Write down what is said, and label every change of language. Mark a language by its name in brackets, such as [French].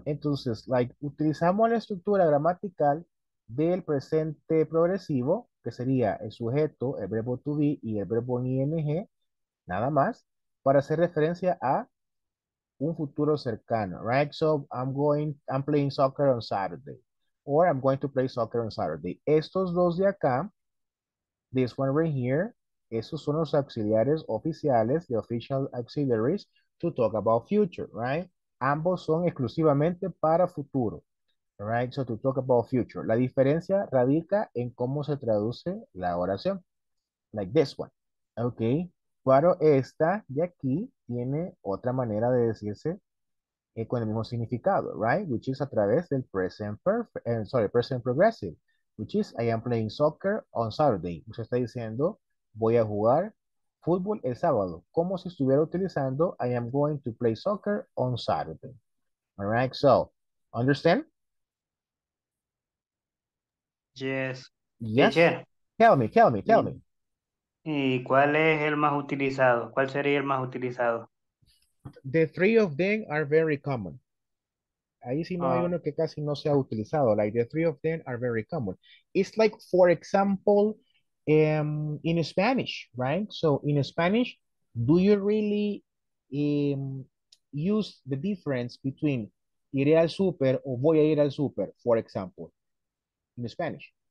[Spanish] Entonces, like, utilizamos la estructura gramatical del presente progresivo, que sería el sujeto, el verbo to be y el verbo ing, nada más, para hacer referencia a un futuro cercano, right? [English] So I'm playing soccer on Saturday, or I'm going to play soccer on Saturday. [Spanish] Estos dos de acá, [English] this one right here, [Spanish] esos son los auxiliares oficiales, [English] the official auxiliaries, to talk about future, right? [Spanish] Ambos son exclusivamente para futuro, right? [English] So to talk about future. [Spanish] La diferencia radica en cómo se traduce la oración, [English] like this one, [Spanish] okay? Pero esta de aquí tiene otra manera de decirse con el mismo significado, right? [English] Which is [Spanish] a través del [English] present perfect, sorry, present progressive, which is I am playing soccer on Saturday. [Spanish] Usted está diciendo, voy a jugar fútbol el sábado, como si estuviera utilizando [English] I am going to play soccer on Saturday. All right, so, understand? Yes. Yes. Tell me. [Spanish] ¿Y cuál es el más utilizado? ¿Cuál sería el más utilizado? [English] The three of them are very common. [Spanish] Ahí sí no hay uno que casi no sea utilizado. [English] Like, the three of them are very common. It's like, for example, in Spanish, right? So, in Spanish, do you really use the difference between [Spanish] iré al super o voy a ir al super, [English] for example, in Spanish?